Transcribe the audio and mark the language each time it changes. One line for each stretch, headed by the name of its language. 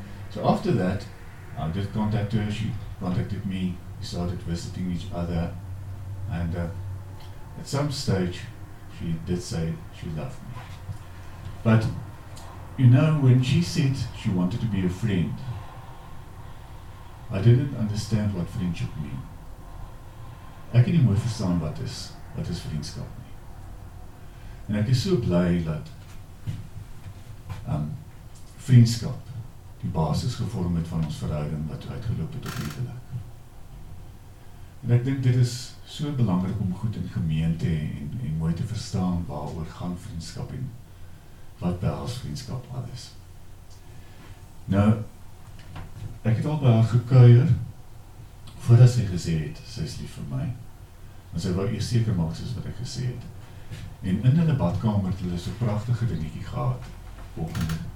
English: So after that, I did contact her, she contacted me, we started visiting each other, and at some stage, she did say she loved me. But, you know, when she said she wanted to be a friend, I didn't understand what friendship mean. I can't even understand what is friendship mean. And I was so glad that
Afrikaans: vriendskap die basis gevorm het van ons verhouding wat uitgeloop het op huwelik. En ek dink dit is so belangrik om goed in gemeente en mooi te verstaan waaroor gaan vriendskap en wat behels vriendskap alles. Nou, ek het al by haar gekuier voordat sy gesê het, sy is lief vir my, en sy wou eers seker maak soos wat ek gesê het. En in hulle badkamer het hulle so prachtige dingetjie gehad, volgende